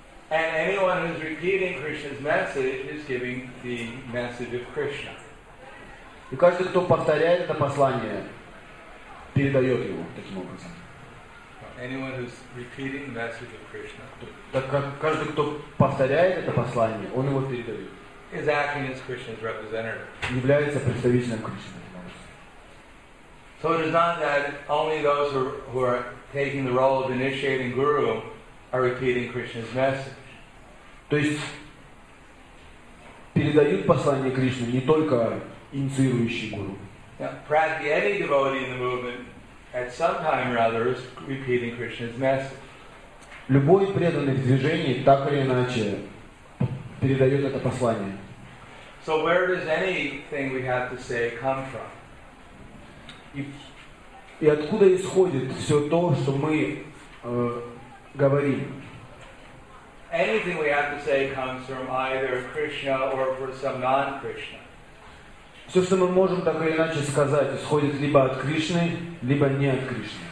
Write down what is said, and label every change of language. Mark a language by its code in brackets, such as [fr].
[en] And anyone who's repeating Krishna's message is giving the message of Krishna. [ru] И каждый, кто повторяет это послание, передает его таким образом. [en] Anyone who's repeating the message of Krishna. [ru] Так каждый, кто повторяет это послание, он его передает. [en] Is acting as Krishna's representative. [ru] Является представителем Кришны. [en] So it is not that only those who are taking the role of initiating guru are repeating Krishna's message. [ru] То есть передают послание Кришны не только инициирующий гуру. [en] Practically any devotee in the movement at some time or other is repeating Krishna's message. [ru] Любой преданный в движении так или иначе передает это послание. [en] So where does anything we have to say come from? [ru] И откуда исходит все то, что мы говорим? [en] Anything we have to say comes from either Krishna or from some non-Krishna. [ru] Все, что мы можем так или иначе сказать, исходит либо от Кришны, либо не от Кришны.